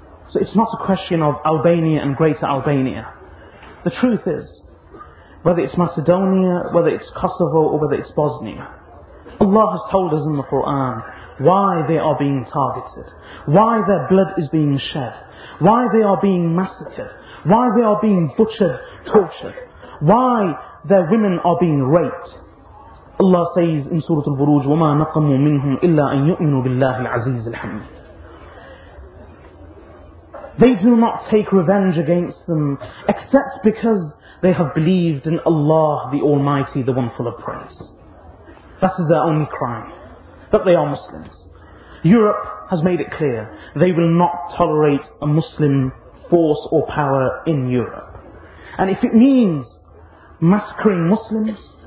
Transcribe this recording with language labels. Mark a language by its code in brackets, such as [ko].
[en] So it's not a question of Albania and Greater Albania. The truth is, whether it's Macedonia, whether it's Kosovo, or whether it's Bosnia, Allah has told us in the Quran why they are being targeted, why their blood is being shed, why they are being massacred, why they are being butchered, tortured, why their women are being raped. Allah says in Surah Al-Buruj, [ar] وَمَا نَقَمُوا مِنْهُمْ إِلَّا أَن يُؤْمِنُوا بِاللَّهِ الْعَزِيزِ الْحَمِيدِ. [en] They do not take revenge against them except because they have believed in Allah, the Almighty, the One full of praise. That is their only crime, that they are Muslims. Europe has made it clear they will not tolerate a Muslim force or power in Europe. And if it means massacring Muslims,